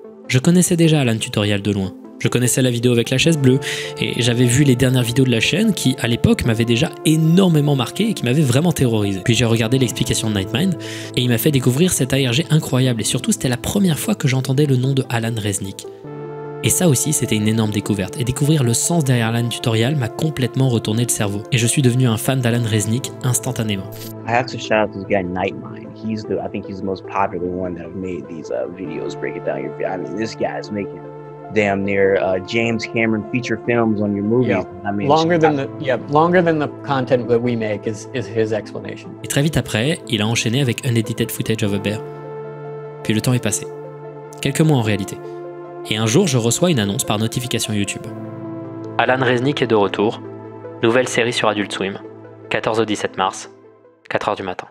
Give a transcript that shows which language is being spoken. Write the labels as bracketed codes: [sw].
[fr] Je connaissais déjà Alan Tutorial de loin. Je connaissais la vidéo avec la chaise bleue et j'avais vu les dernières vidéos de la chaîne qui, à l'époque, m'avaient déjà énormément marqué et qui m'avaient vraiment terrorisé. Puis j'ai regardé l'explication de Nightmind et il m'a fait découvrir cet ARG incroyable et surtout c'était la première fois que j'entendais le nom de Alan Resnick. Et ça aussi, c'était une énorme découverte. Et découvrir le sens derrière Alan Tutorial m'a complètement retourné le cerveau. Et je suis devenu un fan d'Alan Resnick instantanément. [en] I have to shout out this guy Nightmind. I think he's the most popular one that have made these videos. Break it down. I mean, this guy is making damn near James Cameron feature films on your movies. Yeah. I mean, longer than the content that we make is his explanation. [fr] Et très vite après, il a enchaîné avec Unedited Footage of a Bear. Puis le temps est passé. Quelques mois en réalité. Et un jour, je reçois une annonce par notification YouTube. Alan Resnick est de retour. Nouvelle série sur Adult Swim. 14 au 17 mars. 4h du matin.